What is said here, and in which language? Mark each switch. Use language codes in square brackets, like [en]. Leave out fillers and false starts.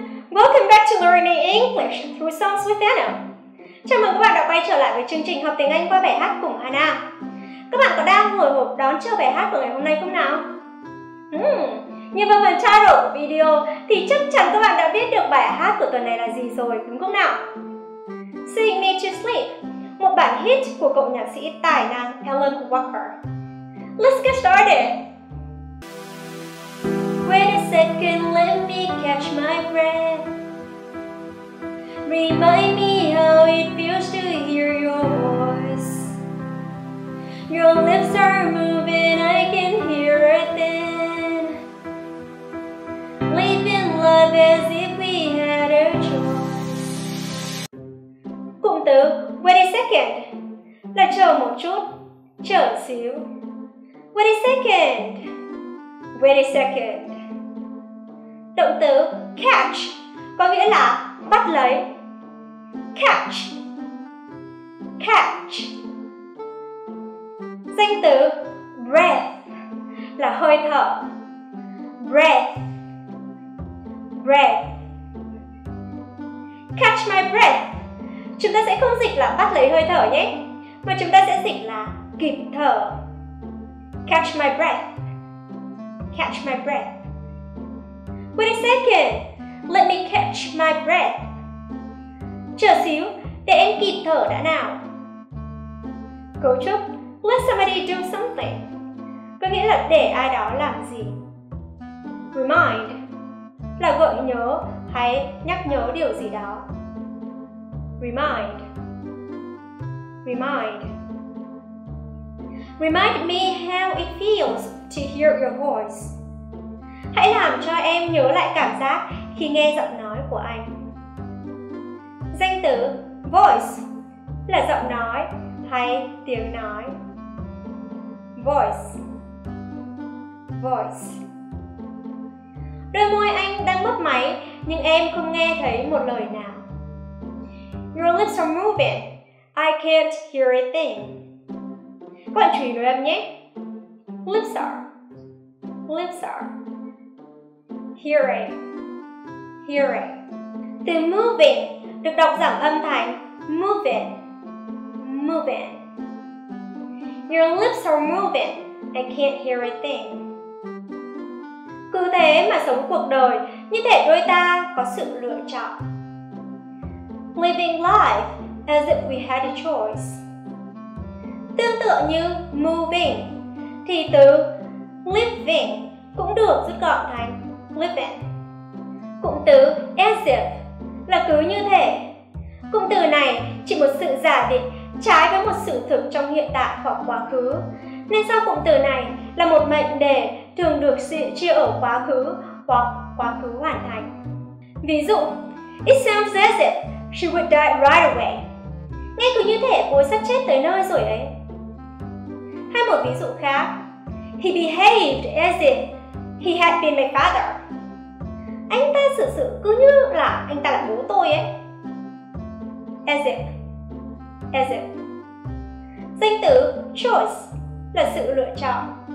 [en] English through songs with Anna. [vi] Chào mừng các bạn đã quay trở lại với chương trình học tiếng Anh qua bài hát cùng Hana. Các bạn có đang hồi hộp đón chờ bài hát của ngày hôm nay không nào? Như vào phần trao đổi của video thì chắc chắn các bạn đã biết được bài hát của tuần này là gì rồi, đúng không nào? Sing Me to Sleep, một bản hit của cậu nhạc sĩ tài năng Alan Walker. [en] Let's get started! Wait a second, let me catch my breath. Remind me how it feels to hear your voice. Your lips are moving, I can hear it then. Living love as if we had a choice. [vi] Cụm từ [en] wait a second [vi] là chờ một chút, chờ xíu. [en] Wait a second, wait a second. [vi] Động từ catch có nghĩa là bắt lấy. [en] Catch, catch. [vi] Danh từ breath là hơi thở. [en] Breath, breath. Catch my breath, [vi] chúng ta sẽ không dịch là bắt lấy hơi thở nhé, mà chúng ta sẽ dịch là kịp thở. [en] Catch my breath, catch my breath. Wait a second, let me catch my breath. [vi] Chờ xíu, để em kịp thở đã nào. Cấu trúc [en] let somebody do something [vi] có nghĩa là để ai đó làm gì. Remind là gợi nhớ hay nhắc nhớ điều gì đó. [en] Remind, remind. Remind me how it feels to hear your voice. [vi] Hãy làm cho em nhớ lại cảm giác khi nghe giọng nói của anh. Danh từ voice là giọng nói hay tiếng nói. [en] Voice, voice. [vi] Đôi môi anh đang mấp máy nhưng em không nghe thấy một lời nào. [en] Your lips are moving, I can't hear a thing. [vi] Quan trì rồi em nhé. [en] Lips are, lips are. Hearing, hearing. [vi] Từ moving được đọc giảm âm thanh [en] moving, moving. Your lips are moving, I can't hear a thing. [vi] Cứ thế mà sống cuộc đời, như thể đôi ta có sự lựa chọn. [en] Living life as if we had a choice. [vi] Tương tự như moving thì từ living cũng được rút gọn thành living. Cụm từ as if là cứ như thế. Cụm từ này chỉ một sự giả định trái với một sự thực trong hiện tại hoặc quá khứ. Nên sau cụm từ này là một mệnh đề thường được chia ở quá khứ hoặc quá khứ hoàn thành. Ví dụ, [en] it sounds as if she would die right away. [vi] Nghe cứ như thể cô sắp chết tới nơi rồi ấy. Hay một ví dụ khác, [en] he behaved as if he had been my father. [vi] Anh ta xử sự cứ như là anh ta là bố tôi ấy. [en] As if, as if. [vi] Danh từ choice là sự lựa chọn.